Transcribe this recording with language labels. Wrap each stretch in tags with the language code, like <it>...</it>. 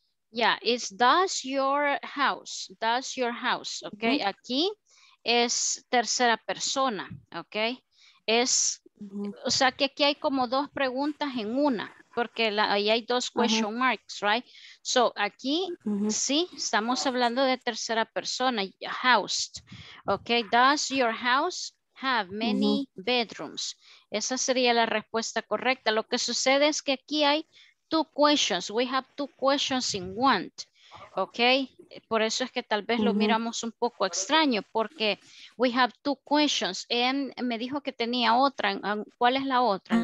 <en>Yeah, it's does your house, ok, uh-huh.</en> <es>aquí es tercera persona, ok, es, uh-huh. o sea que aquí hay como dos preguntas en una. Porque ahí hay dos</es> <en>question uh-huh. marks, right? So,</en> <es>aquí, uh-huh. sí, estamos hablando de tercera persona, housed.</es> <en>Okay, does your house have many uh-huh.</en> <es>bedrooms? Esa sería la respuesta correcta. Lo que sucede es que aquí hay</es> <en>two questions. We have two questions in one.</en> <es>Okay, por eso es que tal vez uh-huh. lo miramos un poco extraño. Porque</es> <en>we have two questions. And</en> <es>me dijo que tenía otra. ¿Cuál es la otra?</es>